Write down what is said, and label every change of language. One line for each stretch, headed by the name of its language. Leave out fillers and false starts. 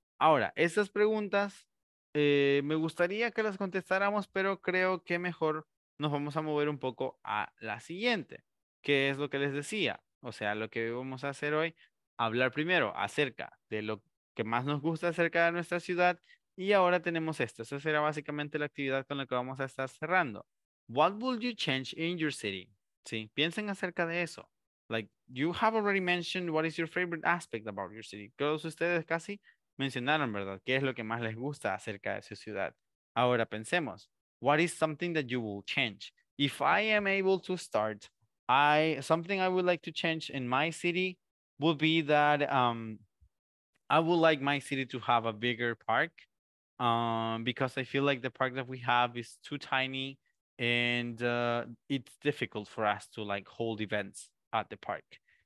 Spanish: Ahora, estas preguntas me gustaría que las contestáramos, pero creo que mejor nos vamos a mover un poco a la siguiente, que es lo que les decía. O sea, lo que vamos a hacer hoy, hablar primero acerca de lo que más nos gusta acerca de nuestra ciudad. Y ahora tenemos esto. Esa será básicamente la actividad con la que vamos a estar cerrando.
English: What would you change in your city?
Spanish: Sí, piensen acerca de eso.
English: Like, you have already mentioned what is your favorite aspect about your city.
Spanish: Todos ustedes casi mencionaron, ¿verdad? ¿Qué es lo que más les gusta acerca de su ciudad? Ahora pensemos.
English: What is something that you will change? If I am able to start, something I would like to change in my city would be that I would like my city to have a bigger park because I feel like the park that we have is too tiny and it's difficult for us to like hold events at the park.